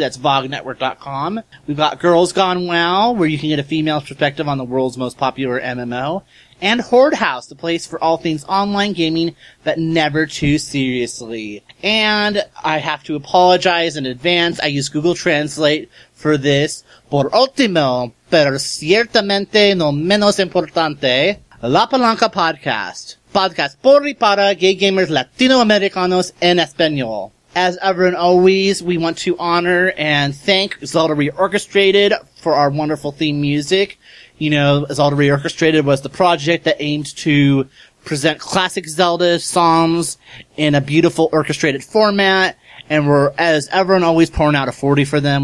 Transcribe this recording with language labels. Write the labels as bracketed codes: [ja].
[en] That's VogNetwork.com. We've got Girls Gone Wow, where you can get a female's perspective on the world's most popular MMO. And Horde House, the place for all things online gaming, but never too seriously. And I have to apologize in advance. I use Google Translate for this. [es] Por último, pero ciertamente no menos importante, La Palanca Podcast. Podcast por y para gay gamers latinoamericanos en español. [en] As ever and always, we want to honor and thank Zelda Reorchestrated for our wonderful theme music. You know, Zelda Reorchestrated was the project that aimed to present classic Zelda songs in a beautiful orchestrated format, and we're, as ever and always, pouring out a 40 for them.